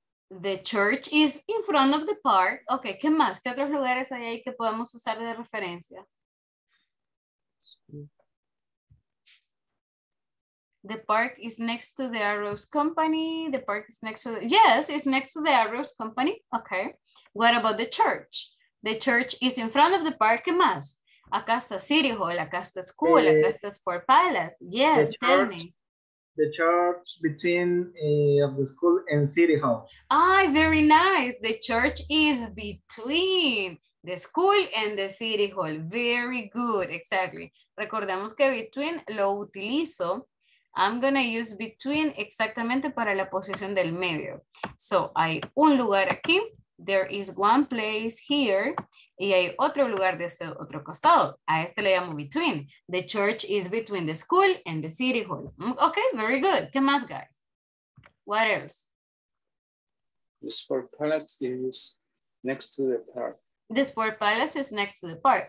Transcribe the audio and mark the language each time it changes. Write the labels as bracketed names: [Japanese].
[English] The church is in front of the park. [Spanish] Okay. ¿Qué más? ¿Qué otros lugares hay ahí que podemos usar de referencia? [English] The park is next to the Arrows Company. The park is next to the, yes, it's next to the Arrows Company. Okay. What about the church? The church is in front of the park. [Spanish] ¿Qué más? Acá está City Hall. Acá está School. Acá está Sport Palace. [English] Yes, tell me. The church between of the school and City Hall. Ah, very nice. The church is between the school and the City Hall. Very good. Exactly. [Spanish] Recordemos que between lo utilizo. [English] I'm gonna use between [Spanish] exactamente para la posición del medio. [English] So, [Spanish] hay un lugar aquí. [English] There is one place here. [Spanish] Y hay otro lugar de ese otro costado. A este le llamo between. [English] The church is between the school and the city hall. Okay, very good. [Spanish] ¿Qué más, [English] guys? What else? The Sport Palace is next to the park. The Sport Palace is next to the park.